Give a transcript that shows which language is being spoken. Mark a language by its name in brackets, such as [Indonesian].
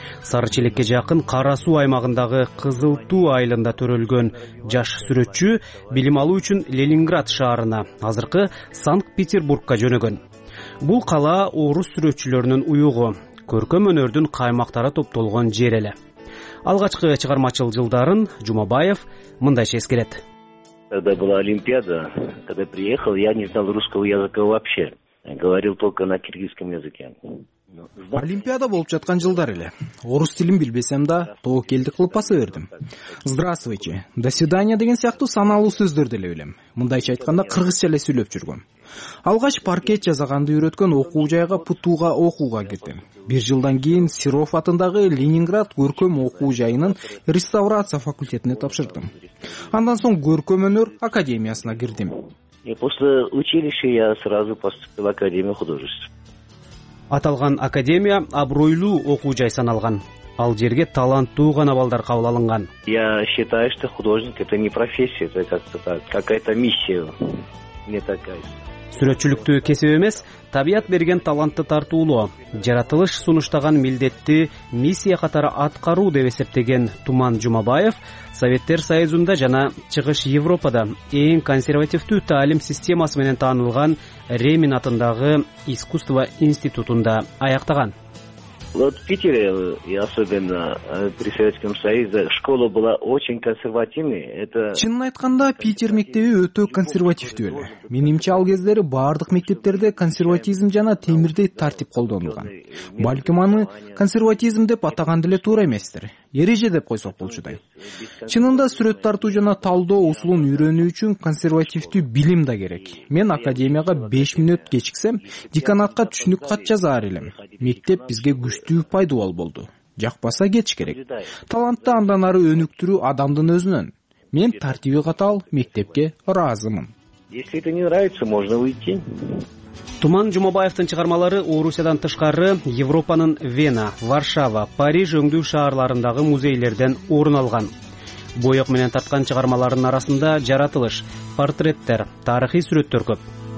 [Kyrgyz] Сары Челекке жакын Кара Суу аймагындагы Кызыл Туу айылында төрөлгөн жаш сүрөтчү билим алуу үчүн Ленинград шаарына, азыркы Санкт-Петербургка жөнөгөн. Бул кала орус сүрөтчүлөрүнүн уюгу, көркөм өнөрдүн каймактары топтолгон жер эле. Алгачкы чыгармачыл жылдарын Жумабаев мындайча эскерет. [Russian] Когда была Олимпиада, когда приехал, я не знал русского языка вообще. Я говорил только на киргизском языке. [Kyrgyz] Олимпиада болуп жаткан жылдар эле. Орус тилин билбесем да, тоо келди кылып баса бердим. [Russian] Здравствуйте, до свидания [Kyrgyz] деген сыяктуу саналуу сөздөрдү эле билем. Мындайча айтканда кыргызча эле сүйлөп жүргөм. Алгач паркет жасаганды үйрөткөн окуу жайга ПТУ-га окууга кетем. Бир жылдан кийин Сиров атындагы Ленинград көркөм окуу жайынын реставрация факультетине тапшырдым. Андан соң көркөм өнөр академиясына кирдим. [Russian] После училища я сразу поступил в Академию художеств. [Kyrgyz] Аталган академия абройлуу окуу жай саналган. Ал жерге таланттуу гана балдар кабыл алынган. [Russian] Я считаю, что художник это не профессия, это как-то так, какая-то миссия. Не такая. [Kyrgyz] Сүрөтчүлүктү кесип эмес, табият берген талантты тартуулоо, жаратылыш сунуштаган милдетти миссия катары аткаруу деп эсептеген Туман Жумабаев Советтер Союзунда жана Чыгыш Европада эң консервативдүү таалим системасы менен таанылган Ремин атындагы искусство институтунда аяктаган. [Russian] Вот в Питере, и особенно при Советском Союзе, школа была очень консервативной. Это [Kyrgyz] чынын айтканда, Питер мектеби өтө консервативдүү эле. Менимче ал кездери бардык мектептерде консерватизм жана темирдей тартип колдонулган. Балким аны консерватизм деп атаган деле туура эместир. Эреже деп койсок болчудай. Чынында сүрөт тартуу жана талдоо усулун үйрөнүү үчүн консервативдүү билим да керек. Мен академияга 5 мүнөт кечиксем, деканатка түшүнүк кат жазар элем. Мектеп бизге күчтүү пайдубал болду. Жакпаса кеч керек. Талантты андан ары өнүктүрүү адамдын өзүнөн. Мен тартиби катаал мектепке ыраазымын. [Russian] Если это не нравится, можно уйти. [Kyrgyz] Туман Жумабаевдин чыгармалары Орусиядан тышкары Европанын Вена, Варшава, Париж өңдүү шаарларындагы музейлерден орун алган. Боек менен тарткан чыгармаларынын арасында жаратылыш, портреттер, тарыхый сүрөттөр көп.